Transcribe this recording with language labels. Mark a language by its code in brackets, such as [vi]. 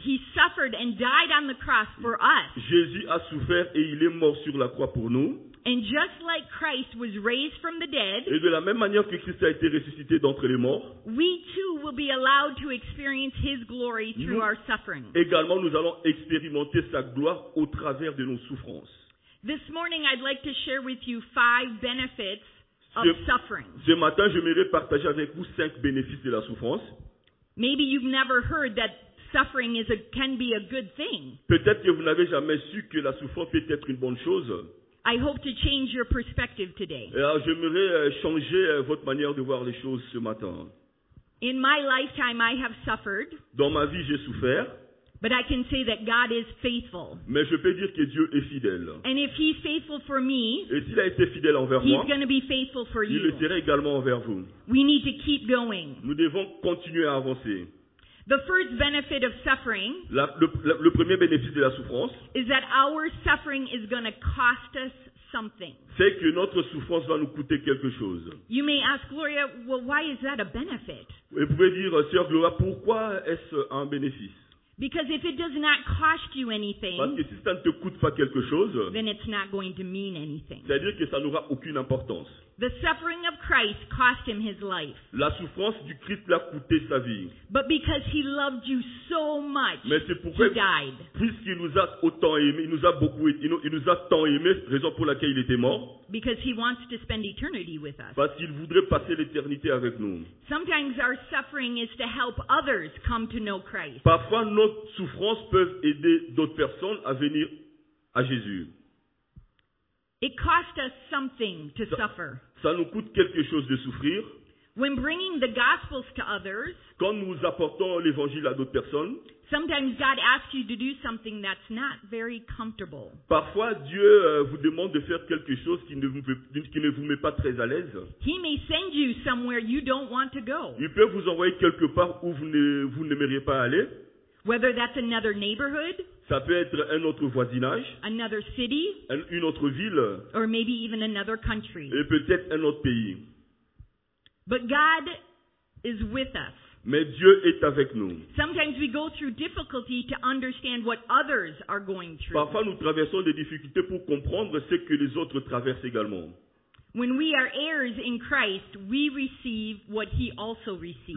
[en] He suffered and died on the cross for us. [fr] Jésus a souffert et il est mort sur la croix pour nous. [en] And just like Christ was raised from the dead, [fr] et de la même manière que Christ a été ressuscité d'entre les morts, [en] we too will be allowed to experience His glory through our suffering. [fr] Également, nous allons expérimenter sa gloire au travers de nos souffrances. [en] This morning, I'd like to share with you five benefits of suffering. [fr] Ce matin, j'aimerais partager avec vous cinq bénéfices de la souffrance. [en] Maybe you've never heard that suffering can be a good thing. [fr] Peut-être que vous n'avez jamais su que la souffrance peut être une bonne chose. [en] I hope to change your perspective today. [fr] Alors, j'aimerais changer votre manière de voir les choses ce matin. [en] In my lifetime, I have suffered. [fr] Dans ma vie, j'ai souffert. [en] But I can say that God is faithful. [fr] Mais je peux dire que Dieu est fidèle. [en] And if He's faithful for me, [fr] et s'il a été fidèle envers [en] he's [fr] moi, [en] going to be faithful for [fr] il [en] you. [fr] Le sera également envers vous. [en] We need to keep going. [fr] Nous devons continuer à avancer. [en] The first benefit of suffering [fr] le premier bénéfice de la souffrance [en] is that our suffering is going to cost us something. [fr] C'est que notre souffrance va nous coûter quelque chose. [en] You may ask Gloria, well, why is that a benefit? [fr] Vous pouvez dire, sœur Gloria, pourquoi est-ce un bénéfice? [en] Because if it does not cost you anything, [fr] parce que si ça ne te coûte pas quelque chose, [en] then it's not going to mean anything. [fr] C'est-à-dire que ça n'aura aucune importance. [en] The suffering of Christ cost him his life. [fr] La souffrance du Christ l'a coûté sa vie. [en] But because he loved you so much, [fr] mais c'est pourquoi, [en] he died. [fr] Puisqu'il nous a autant aimé, il nous a beaucoup, il nous a tant aimé, raison pour laquelle il était mort. [en] Because he wants to spend eternity with us. [fr] Parce qu'il voudrait passer l'éternité avec nous. [en] Sometimes our suffering is to help others come to know Christ. [fr] Parfois, notre souffrance peut aider d'autres personnes à venir à Jésus. [en] It cost us something to suffer. [fr] Ça nous coûte quelque chose de souffrir. [en] When bringing the gospels to others, [fr] quand nous apportons l'évangile à d'autres personnes, [en] sometimes God asks you to do something that's not very comfortable. [fr] Parfois, Dieu vous demande de faire quelque chose qui ne vous met pas très à l'aise. [en] He may send you somewhere you don't want to go. [fr] Il peut vous envoyer quelque part où vous n'aimeriez pas aller. [en] Whether that's another neighborhood, [fr] ça peut être un autre voisinage, [en] another city, [fr] une autre ville, [en] or maybe even another country, [fr] et peut-être un autre pays. [en] But God is with us. [fr] Mais Dieu est avec nous. [en] Sometimes we go through difficulty to understand what others are going through. [fr] Parfois nous traversons des difficultés pour comprendre ce que les autres traversent également. [en] When we are heirs in Christ, we receive what he also receives.